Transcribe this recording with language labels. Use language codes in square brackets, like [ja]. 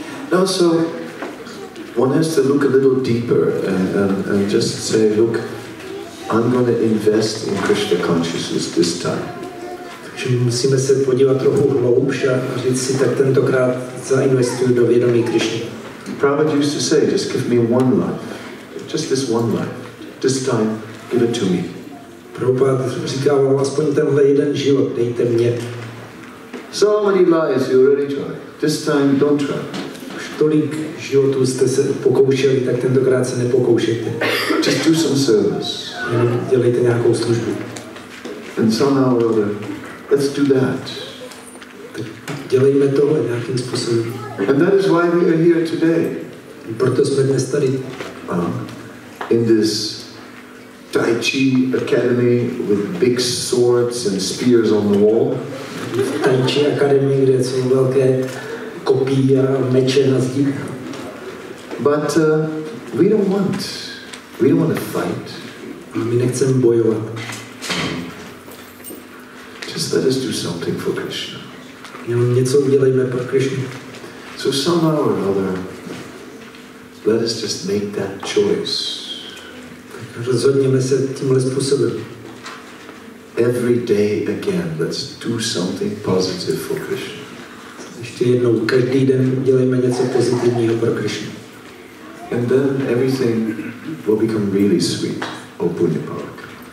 [en] Now, so one has to look a little deeper and just say, look, I'm going to invest in Krishna consciousness this time. [cs] Takže musíme se podívat trochu hloubš a říct si, tak tentokrát zainvestuju do vědomí Krishny. [en] Prabhupada used to say, just give me one life. Just this one life. This time, give it to me. [cs] Prabhupada říkal, aspoň tenhle jeden život, dejte mě. [en] So many lives you already tried. This time, don't try. [cs] Už tolik životů jste se pokoušeli, tak tentokrát se nepokoušejte. [en] Just do some service. [cs] Dělejte nějakou službu. [en] And somehow or other, let's do that. [cs] Dělejme to nějakým způsobem. [en] And that is why we are here today. [cs] Proto jsme dnes tady. [en] In this Tai Chi Academy with big swords and spears on the wall. [cs] V Tai Chi Academy, kde jsou velké kopí a meče na zdích. [en] But we don't want to fight. [cs] My nechceme bojovat. [en] Just let us do something for Krishna. [cs] Jenom něco udělejme pro Krishnu. [en] So somehow or another, let us just make that choice. [cs] Rozhodněme se tímhle způsobem. [en] Every day again, let's do something positive for Krishna. [cs] Ještě jednou, každý den udělejme něco pozitivního pro Krishnu. [en] And then everything will become really sweet. Oh, Punya Park.